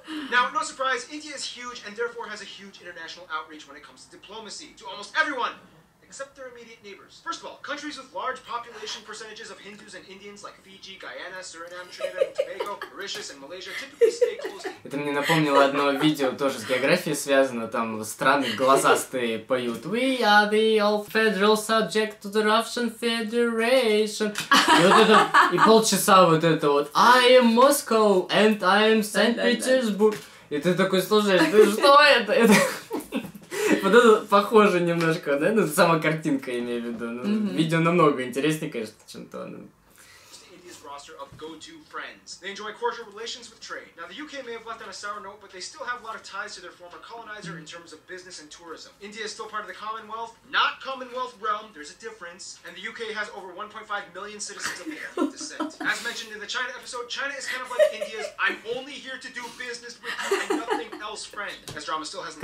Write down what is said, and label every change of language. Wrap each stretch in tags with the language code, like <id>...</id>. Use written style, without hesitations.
<en>Now, no surprise, India is huge and therefore has a huge international outreach when it comes to diplomacy to almost everyone, except their immediate neighbors. First of all, countries with large population percentages of Hindus and Indians like Fiji, Guyana, Suriname, Trinidad, Tobago, Mauritius, and Malaysia typically stay close.</en> <ru>Это мне напомнило одно видео тоже с географией связано, там страны глазастые поют.</ru> <en>We are the all federal subject to the Russian Federation.</en> <ru>И вот это, и полчаса вот это вот.</ru> <en>I am Moscow and I am Saint Petersburg.</en> <ru>И ты такой, слушай, ты что это? Это... Вот это похоже немножко, да? Ну, сама картинка, имею в виду. Ну, видео намного интереснее, конечно, чем то. Ну.</ru> <en>Of go-to friends. They enjoy cordial relations with trade. Now, the UK may have left on a sour note, but they still have a lot of ties to their former colonizer in terms of business and tourism. India is still part of the Commonwealth, not Commonwealth realm, there's a difference, and the UK has over 1.5 million citizens of Indian descent. As mentioned in the China episode, China is kind of like India's I'm only here to do business with you and nothing else friend, as drama still hasn't</en>